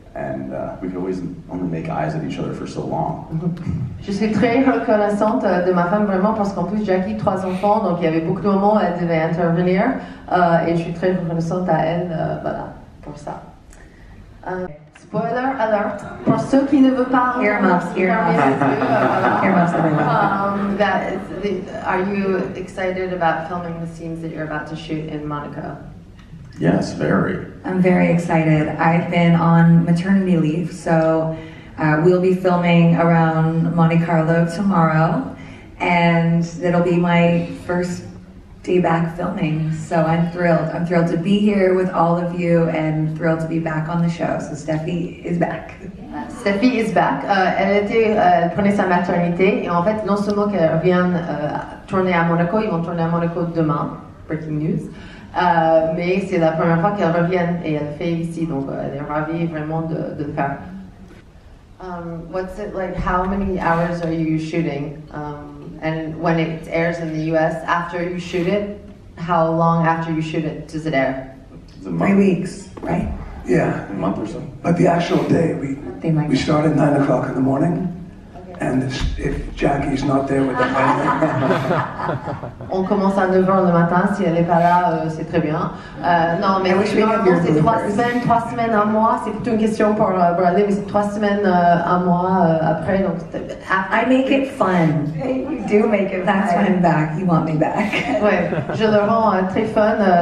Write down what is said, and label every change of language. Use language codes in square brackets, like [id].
[en] And we could always only make eyes at each other for so long. [fr] Je suis très reconnaissante de ma femme, vraiment, parce qu'en plus Jackie 3 enfants, donc il y avait beaucoup de moments où elle devait intervenir, et je suis très reconnaissante à elle, pour ça. [en] Spoiler alert, [fr] pour ceux qui ne veulent pas... [en] Earmuffs. Are you excited about filming the scenes that you're about to shoot in Monaco? Yes, very. I'm very excited. I've been on maternity leave, so we'll be filming around Monte Carlo tomorrow, and it'll be my first day back filming, so I'm thrilled. I'm thrilled to be here with all of you and thrilled to be back on the show. So Steffi is back. Steffi is back. [fr] Elle prenait sa maternité, et en fait, non seulement qu'elle revient tourner à Monaco, ils vont tourner à Monaco demain, [en] breaking news, [fr] mais c'est la première fois qu'elle revient et elle fait ici, donc elle est ravie vraiment de le faire. [en] What's it like, how many hours are you shooting? And when it airs in the US, after you shoot it, how long after you shoot it does it air? It's a month. 3 weeks, right? Yeah. A month or so. But the actual day, we start at 9 o'clock in the morning. And if Jackie's not there with the family. [fr] On commence à 9h le matin, si elle n'est pas là, c'est très bien. Non, mais normalement, c'est trois semaines, un mois, c'est plutôt une question pour Bradley, mais c'est 3 semaines, un mois après. Donc, [en] I make it fun. You do make it fun. That's why I'm back. You want me back. [fr] Oui, je le rends très fun.